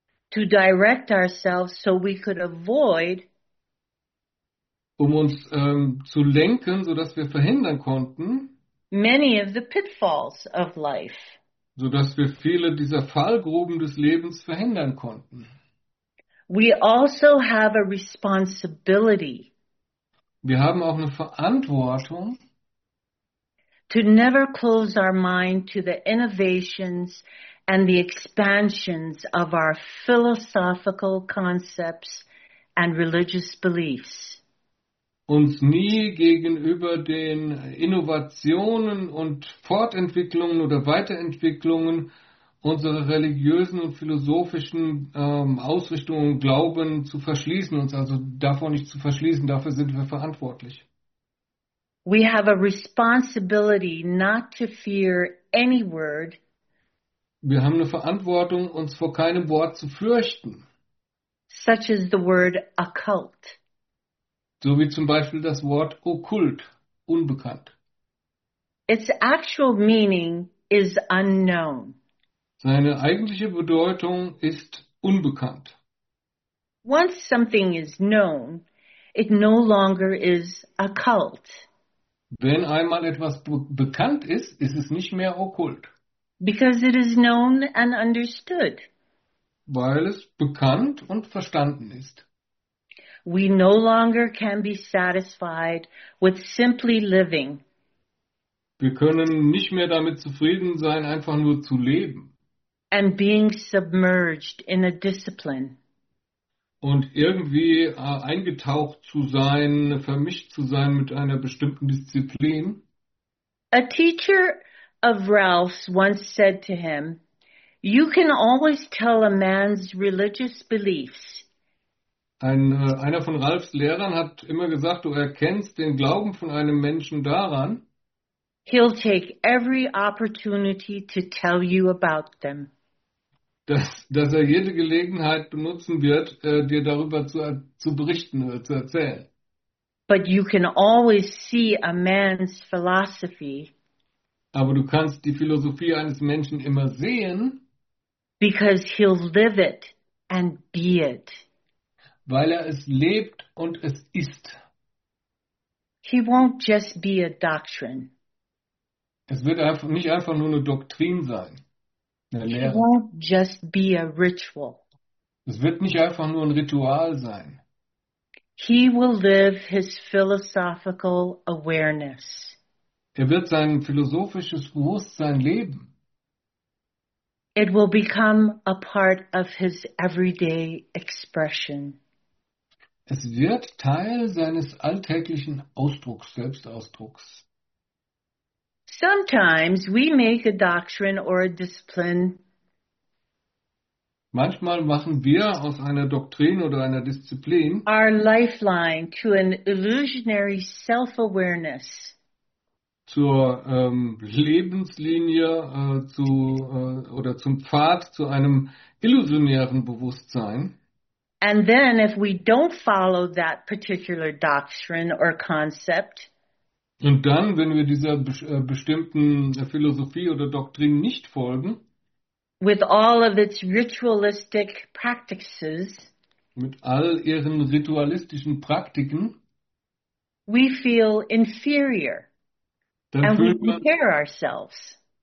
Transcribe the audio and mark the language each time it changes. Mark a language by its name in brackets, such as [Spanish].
[English] to direct ourselves so we could avoid, [German] um uns zu lenken, sodass wir verhindern konnten, [English] many of the pitfalls of life, [German] sodass wir viele dieser Fallgruben des Lebens verhindern konnten. [English] We also have a responsibility, [German] wir haben auch eine Verantwortung, [English] to never close our mind to the innovations and the expansions of our philosophical concepts and religious beliefs. [German] Uns nie gegenüber den Innovationen und Fortentwicklungen oder Weiterentwicklungen unserer religiösen und philosophischen Ausrichtungen und Glauben zu verschließen, uns also davor nicht zu verschließen, dafür sind wir verantwortlich. [English] We have a responsibility not to fear any word. [German] Wir haben eine Verantwortung, uns vor keinem Wort zu fürchten. [English] Such as the word occult. [German] So wie zum Beispiel das Wort okkult, unbekannt. [English] Its actual meaning is unknown. [German] Seine eigentliche Bedeutung ist unbekannt. [English] Once something is known, it no longer is occult. [German] Wenn einmal etwas bekannt ist, ist es nicht mehr okkult. [English] Because it is known and understood. [German] Weil es bekannt und verstanden ist. [English] We no longer can be satisfied with simply living. [German] Wir können nicht mehr damit zufrieden sein, einfach nur zu leben. [English] And being submerged in a discipline. [German] Und irgendwie eingetaucht zu sein, vermischt zu sein mit einer bestimmten Disziplin. [English] A teacher of Ralph's once said to him, "You can always tell a man's religious beliefs." [German] Einer von Ralphs Lehrern hat immer gesagt, du erkennst den Glauben von einem Menschen daran. [English] He'll take every opportunity to tell you about them. [German] Dass er jede Gelegenheit benutzen wird, dir darüber zu berichten oder zu erzählen. [English] But you can always see a man's philosophy. [German] Aber du kannst die Philosophie eines Menschen immer sehen, [English] because he'll live it and be it. [German] Weil er es lebt und es ist. [English] He won't just be a doctrine. [German] Es wird einfach, nicht einfach nur eine Doktrin sein. [English] He won't just be a ritual. [German] Es wird nicht einfach nur ein Ritual sein. [English] He will live his philosophical awareness. [German] Er wird sein philosophisches Bewusstsein leben. [English] It will become a part of his everyday expression. [German] Es wird Teil seines alltäglichen Ausdrucks, Selbstausdrucks. [English] Sometimes we make a doctrine or a discipline. [German] Manchmal machen wir aus einer Doktrin oder einer Disziplin [English] our lifeline to an illusionary self-awareness. [German] Zur Lebenslinie oder zum Pfad zu einem illusionären Bewusstsein. [English] And then if we don't follow that particular doctrine or concept, [German] und dann, wenn wir dieser bestimmten Philosophie oder Doktrin nicht folgen, [English] with all of its ritualistic practices, [German] mit all ihren ritualistischen Praktiken, [English] we feel inferior and we prepare ourselves.